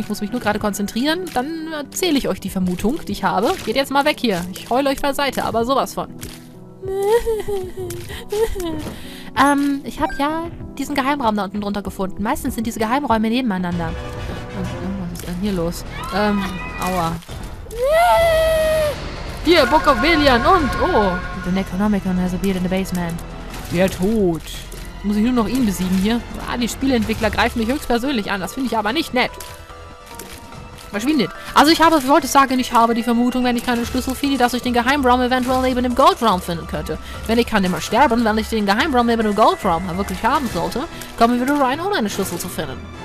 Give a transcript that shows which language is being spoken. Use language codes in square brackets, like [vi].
[de] Ich muss mich nur gerade konzentrieren. Dann erzähle ich euch die Vermutung, die ich habe. Geht jetzt mal weg hier. Ich heule euch beiseite, aber sowas von. ich habe ja diesen Geheimraum da unten drunter gefunden. Meistens sind diese Geheimräume nebeneinander. Was ist denn hier los? Aua. Hier, [en] Book of Velian [de] und, oh. [en] The Necronomicon has appeared in the basement. [de] Der Tod. Muss ich nur noch ihn besiegen hier? Ah, die Spieleentwickler greifen mich höchstpersönlich an. Das finde ich aber nicht nett. Verschwindet. Also ich habe, wollte sagen, ich habe die Vermutung, wenn ich keine Schlüssel finde, dass ich den Geheimraum eventuell neben dem Goldraum finden könnte. Wenn ich kann immer sterben, wenn ich den Geheimraum neben dem Goldraum wirklich haben sollte, kommen wir wieder rein, ohne eine Schlüssel zu finden.